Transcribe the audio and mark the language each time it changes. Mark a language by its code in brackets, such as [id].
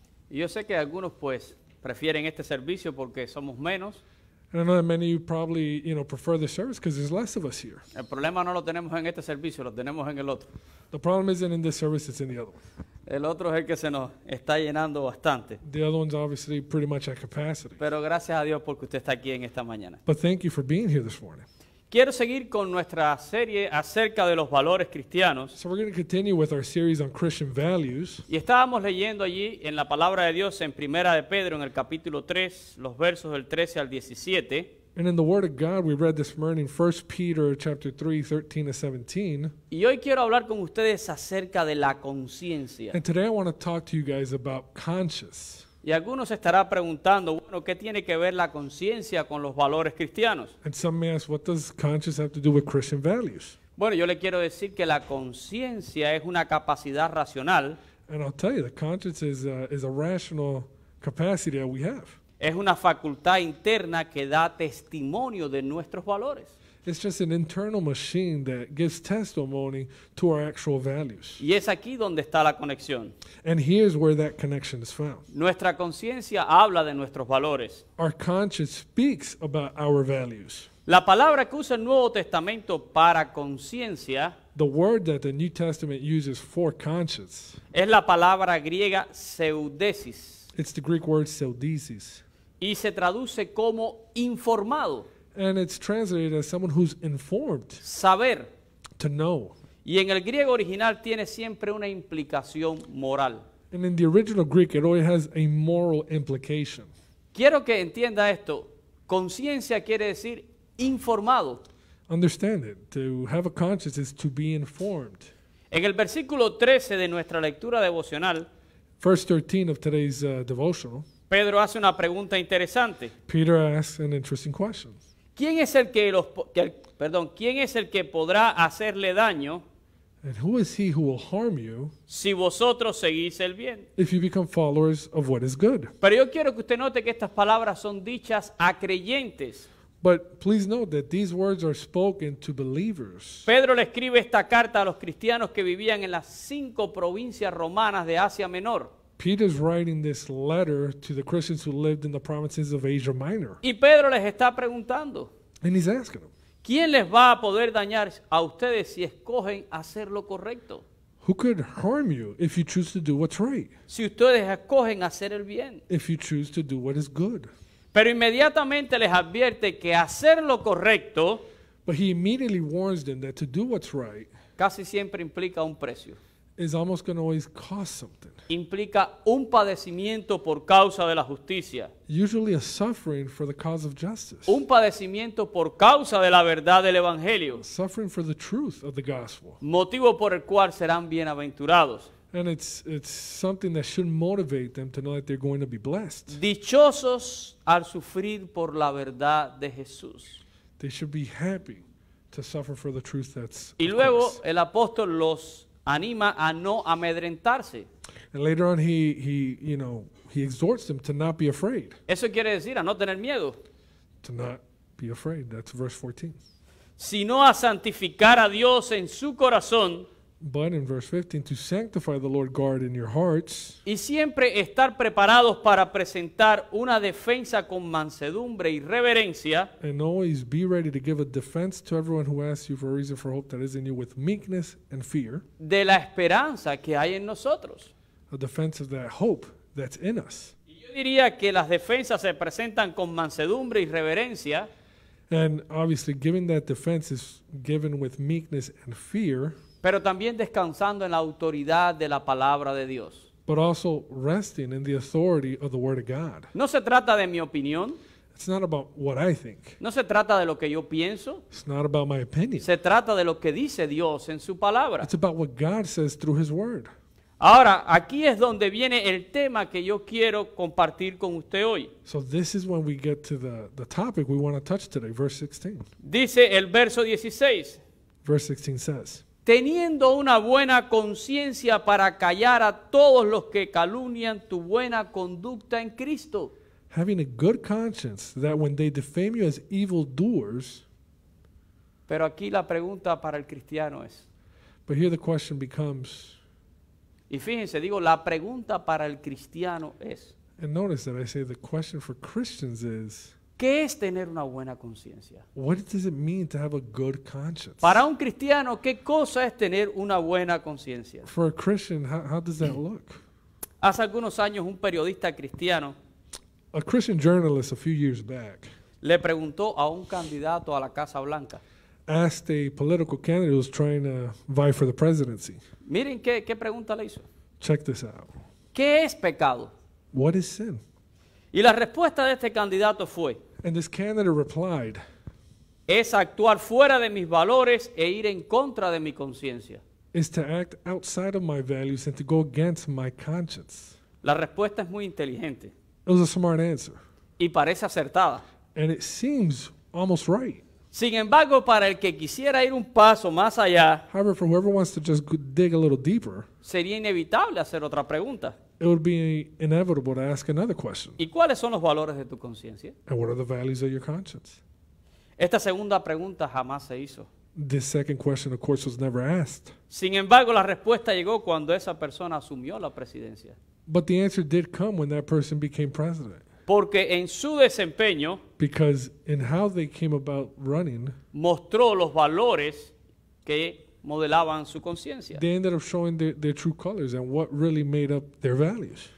[es] Yo sé que algunos pues prefieren este servicio porque somos menos. [en] And I know that many of you probably, you know, prefer the service because there's less of us here. [es] El problema no lo tenemos en este servicio, lo tenemos en el otro. [en] The problem isn't in this service, it's in the other one. [es] El otro es el que se nos está llenando bastante. [en] The other one's obviously pretty much at capacity. [es] Pero gracias a Dios porque usted está aquí en esta mañana. [en] But thank you for being here this morning. [es] Quiero seguir con nuestra serie acerca de los valores cristianos. [en] So we're going to continue with our series on Christian values. [es] Y estábamos leyendo allí en la palabra de Dios en Primera de Pedro en el capítulo 3, los versos del 13 al 17. [en] And in the Word of God, we read this morning, 1 Peter chapter 3, 13 to 17. [es] Y hoy quiero hablar con ustedes acerca de la conciencia. [en] And today I want to talk to you guys about conscience. [es] Y algunos estará preguntando, bueno, ¿qué tiene que ver la conciencia con los valores cristianos? [en] And some may ask, what does conscience have to do with Christian values? [es] Bueno, yo le quiero decir que la conciencia es una capacidad racional. [en] And I'll tell you, the conscience is a rational capacity that we have. [es] Es una facultad interna que da testimonio de nuestros valores. [en] It's just an internal machine that gives testimony to our actual values. [es] Y es aquí donde está la conexión. [en] And here's where that connection is found. [es] Nuestra conciencia habla de nuestros valores. [en] Our conscience speaks about our values. [es] La palabra que usa el Nuevo Testamento para conciencia, [en] the word that the New Testament uses for conscience, [es] es la palabra griega pseudesis. [en] It's the Greek word pseudesis. [es] Y se traduce como informado. [en] And it's translated as someone who's informed. [es] Saber. [en] To know. [es] Y en el griego original tiene siempre una implicación moral. [en] And in the original Greek it always has a moral implication. [es] Quiero que entienda esto. Conciencia quiere decir informado. [en] Understand it. To have a conscience is to be informed. [es] En el versículo 13 de nuestra lectura devocional, [en] verse 13 of today's devotional, [es] Pedro hace una pregunta interesante. [en] Peter asks an interesting question. [es] ¿Quién es el que podrá hacerle daño? [en] And who is he who will harm you? [es] Si vosotros seguís el bien. [en] If you become followers of what is good. [es] Pero yo quiero que usted note que estas palabras son dichas a creyentes. [en] But please note that these words are spoken to believers. [es] Pedro le escribe esta carta a los cristianos que vivían en las cinco provincias romanas de Asia Menor. [en] Peter is writing this letter to the Christians who lived in the provinces of Asia Minor. [es] Y Pedro les está preguntando. [en] And he's asking them. [es] ¿Quién les va a poder dañar a ustedes si escogen hacer lo correcto? [en] Who could harm you if you choose to do what's right? [es] Si ustedes escogen hacer el bien. [en] If you choose to do what is good. [es] Pero inmediatamente les advierte que hacer lo correcto. [en] But he immediately warns them that to do what's right. [es] Casi siempre implica un precio. [en] Is almost going to always cost something. [es] Implica un padecimiento por causa de la justicia. [en] Usually a suffering for the cause of justice. [es] Un padecimiento por causa de la verdad del evangelio. [en] Suffering for the truth of the gospel. [es] Motivo por el cual serán bienaventurados. [en] And it's something that should motivate them to know that they're going to be blessed. [es] Dichosos al sufrir por la verdad de Jesús. [en] They should be happy to suffer for the truth that's. [es] Y luego el apóstol los anima a no amedrentarse. [en] And later on he exhorts them to not be afraid. [es] Eso quiere decir a no tener miedo. [en] To not be afraid. That's verse 14. [es] Sino a santificar a Dios en su corazón. [en] But in verse 15, to sanctify the Lord God in your hearts. [es] Y siempre estar preparados para presentar una defensa con mansedumbre y reverencia. [en] And always be ready to give a defense to everyone who asks you for a reason for hope that is in you with meekness and fear. [es] De la esperanza que hay en nosotros. [en] A defense of that hope that's in us. [es] Y yo diría que las defensas se presentan con mansedumbre y reverencia. [en] And obviously giving that defense is given with meekness and fear. [es] Pero también descansando en la autoridad de la palabra de Dios. [en] But also resting in the authority of the word of God. [es] No se trata de mi opinión. [en] It's not about what I think. [es] No se trata de lo que yo pienso. [en] It's not about my opinion. [es] Se trata de lo que dice Dios en su palabra. [en] It's about what God says through his word. [es] Ahora, aquí es donde viene el tema que yo quiero compartir con usted hoy. [en] So this is when we get to the topic we want to touch today, verse 16. [es] Dice el verso 16. [en] Verse 16 says. [es] Teniendo una buena conciencia para callar a todos los que calumnian tu buena conducta en Cristo. [en] Having a good conscience that when they defame you as evildoers. [es] Pero aquí la pregunta para el cristiano es. [en] But here the question becomes. [es] Y fíjense, digo, la pregunta para el cristiano es. [en] And notice that I say the question for Christians is. [es] ¿Qué es tener una buena conciencia? [en] What does it mean to have a good conscience? [es] Para un cristiano, ¿qué cosa es tener una buena conciencia? [en] For a Christian, how does that look? [es] Hace algunos años, un periodista cristiano, [en] a Christian journalist a few years back, [es] le preguntó a un candidato a la Casa Blanca, [en] asked a political candidate who was trying to vie for the presidency. [es] Miren qué pregunta le hizo. [en] Check this out. [es] ¿Qué es pecado? [en] What is sin? [es] Y la respuesta de este candidato fue. [en] And this candidate replied. [es] Es actuar fuera de mis valores e ir en contra de mi conciencia. [en] Is to act outside of my values and to go against my conscience. [es] La respuesta es muy inteligente. [en] It was a smart answer. [es] Y parece acertada. [en] And it seems almost right. [es] Sin embargo, para el que quisiera ir un paso más allá. [en] However, for whoever wants to just dig a little deeper. [es] Sería inevitable hacer otra pregunta. [en] It would be inevitable to ask another question. [es] ¿Y cuáles son los valores de tu conciencia? [en] And what are the values of your conscience? [es] Esta segunda pregunta jamás se hizo. [en] This second question, of course, was never asked. [es] Sin embargo, la respuesta llegó cuando esa persona asumió la presidencia. [en] But the answer did come when that person became president. [es] Porque en su desempeño. [en] Because in how they came about running. [es] Mostró los valores que modelaban su conciencia. [en] They ended up showing their true colors and what really made up their values.